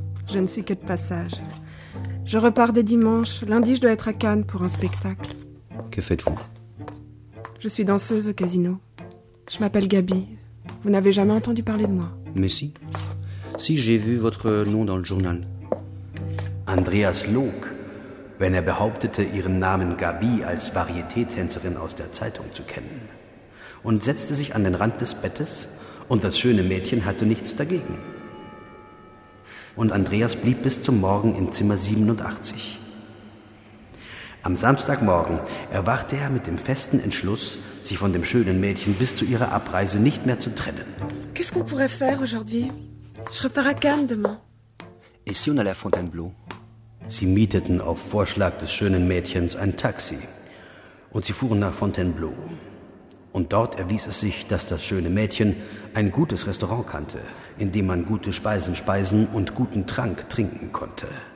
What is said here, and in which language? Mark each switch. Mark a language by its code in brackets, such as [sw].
[fr] Je ne suis que de passage. Je repars dès dimanche. Lundi, je dois être à Cannes pour un spectacle. Que faites-vous? Je suis danseuse au casino. Je m'appelle Gabi. Vous n'avez jamais entendu parler de moi? Mais si. Si, j'ai vu votre nom dans le journal. [de] Andreas log, wenn er behauptete, ihren Namen Gabi als Varieté-Tänzerin aus der Zeitung zu kennen, und setzte sich an den Rand des Bettes, und das schöne Mädchen hatte nichts dagegen. Und Andreas blieb bis zum Morgen in Zimmer 87. Am Samstagmorgen erwachte er mit dem festen Entschluss, sich von dem schönen Mädchen bis zu ihrer Abreise nicht mehr zu trennen. [fr] Qu'est-ce qu'on pourrait faire aujourd'hui? Je repars à Cannes demain. Et si on allait à Fontainebleau? [de] Sie mieteten auf Vorschlag des schönen Mädchens ein Taxi und sie fuhren nach Fontainebleau. Und dort erwies es sich, dass das schöne Mädchen ein gutes Restaurant kannte, in dem man gute Speisen speisen und guten Trank trinken konnte.